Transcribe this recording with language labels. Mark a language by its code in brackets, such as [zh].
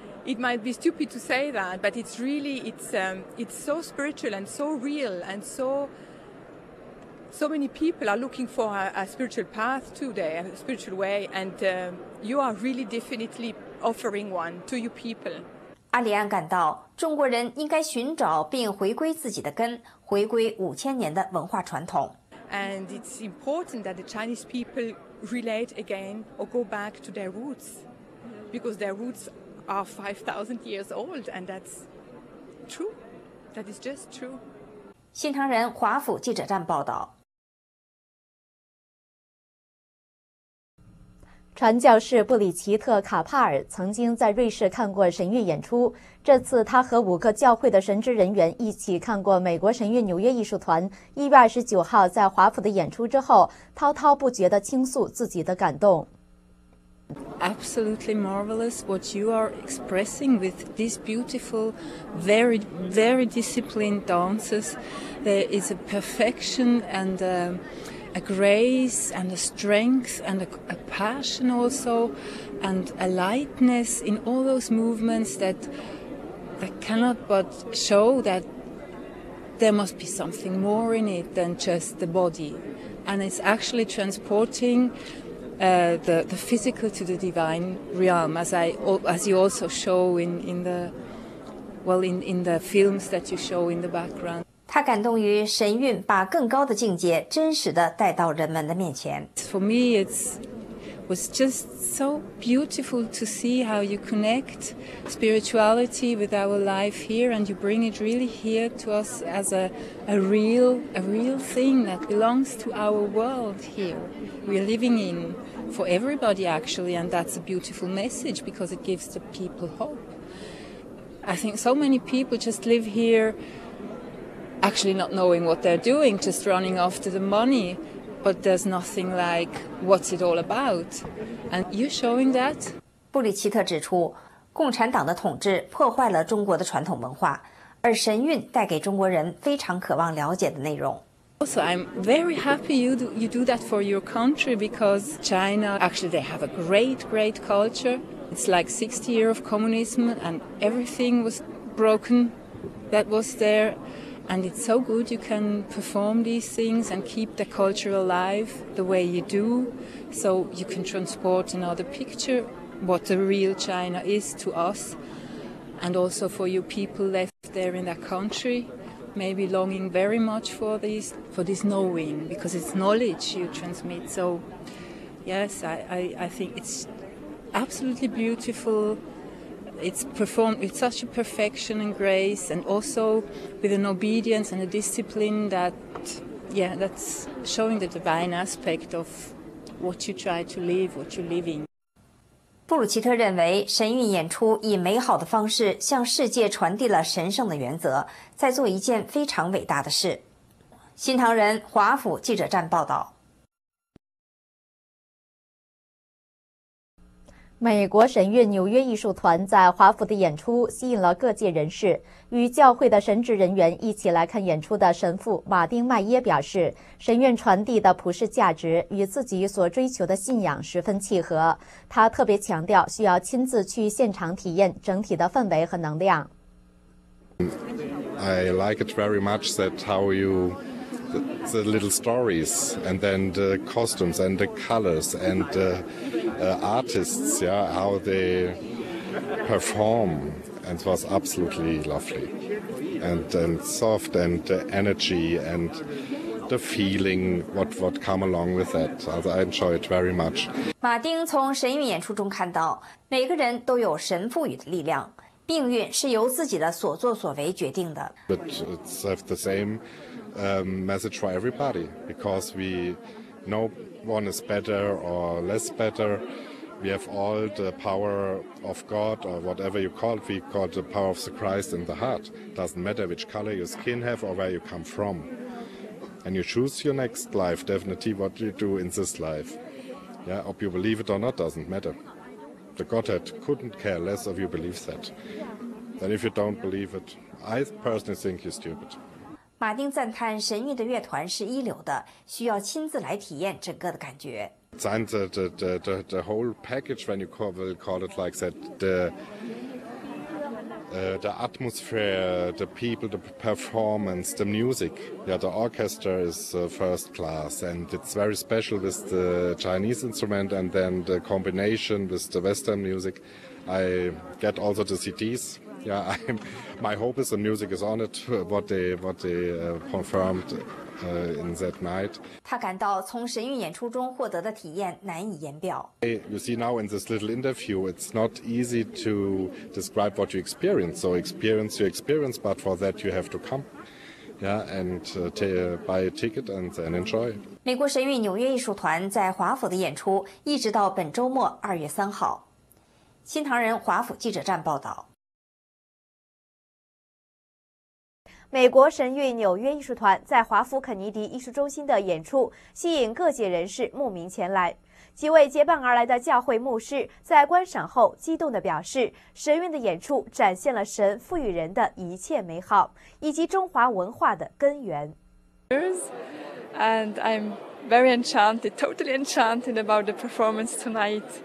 [en] It might be stupid to say that, but it's so spiritual and so real, and so many people are looking for a spiritual path today, a spiritual way, and you are really definitely offering one to your people. [zh] 阿里安感到，中国人应该寻找并回归自己的根，回归五千年的文化传统。 [en] And it's important that the Chinese people relate again or go back to their roots, because their roots are 5,000 years old, and that's true. That is just true. [zh] 新唐人华府记者站报道。传教士布里奇特·卡帕尔曾经在瑞士看过神韵演出，这次他和五个教会的神职人员一起看过美国神韵纽约艺术团1月29号在华府的演出之后，滔滔不绝地倾诉自己的感动。 [en] Absolutely marvelous what you are expressing with these beautiful, very, very disciplined dances. There is a perfection and a grace and a strength and a passion also and a lightness in all those movements that cannot but show that there must be something more in it than just the body. And it's actually transporting the physical to the divine realm, as you also show in the films that you show in the background. [zh] 他感动于神韵把更高的境界真实地带到人们的面前。 [en] For me, it was just so beautiful to see how you connect spirituality with our life here, and you bring it really here to us as a real thing that belongs to our world here. We're living in for everybody actually, and that's a beautiful message because it gives the people hope. I think so many people just live here. Actually not knowing what they're doing, just running after the money, but there's nothing like what's it all about. And you're showing that? [zh] 布里奇特指出，共产党的统治破坏了中国的传统文化，而神韵带给中国人非常渴望了解的内容。 [en] Also, I'm very happy you do that for your country, because China, actually they have a great, great culture. It's like 60 years of communism and everything was broken that was there. And it's so good you can perform these things and keep the culture alive the way you do, so you can transport another picture what the real China is to us, and also for your people left there in that country, maybe longing very much for this knowing, because it's knowledge you transmit. So yes, I think it's absolutely beautiful. It's performed with such a perfection and grace, and also with an obedience and a discipline that's showing the divine aspect of what you try to live, what you live in. [zh] 布鲁奇特认为，神韵演出以美好的方式向世界传递了神圣的原则，在做一件非常伟大的事。新唐人华府记者站报道。美国神韵纽约艺术团在华府的演出吸引了各界人士，与教会的神职人员一起来看演出的神父马丁·麦耶表示，神韵传递的普世价值与自己所追求的信仰十分契合，他特别强调需要亲自去现场体验整体的氛围和能量。 [en] I like it very much that how youThe little stories, and then the costumes, and the colors, and the artists, yeah, how they perform, and it was absolutely lovely, and soft, and energy, and the feeling what come along with that. So I enjoy it very much. [zh] 马丁从神韵演出中看到，每个人都有神赋予的力量，命运是由自己的所作所为决定的。 [en] But it's have the same message for everybody because we no one is better or less better. We have all the power of God, or whatever you call it. We call it the power of the Christ in the heart. Doesn't matter which color your skin have or where you come from. And you choose your next life, definitely what you do in this life. Yeah, if you believe it or not, doesn't matter. The Godhead couldn't care less if you believe that. And if you don't believe it, I personally think you're stupid. [zh] 马丁赞叹神韵的乐团是一流的，需要亲自来体验整个的感觉。 [en] The whole package, when you call it like that, the atmosphere, the people, the performance, the music. Yeah, the orchestra is first class, and it's very special with the Chinese instrument, and then the combination with the Western music. I get also the CDs. Yeah, my hope is the music is on it. What they confirmed. In that night, [zh] 他感到从神韵演出中获得的体验难以言表。 [en] You see now in this little interview, it's not easy to describe what you experience. So experience your experience, but for that you have to come, yeah, and buy a ticket and then enjoy. [zh] 美国神韵纽约艺术团在华府的演出一直到本周末2月3号。新唐人华府记者站报道。美国神韵纽约艺术团在华府肯尼迪艺术中心的演出吸引各界人士慕名前来。几位结伴而来的教会牧师在观赏后激动地表示，神韵的演出展现了神赋予人的一切美好以及中华文化的根源。 [en] And I'm very enchanted, totally enchanted about the performance tonight.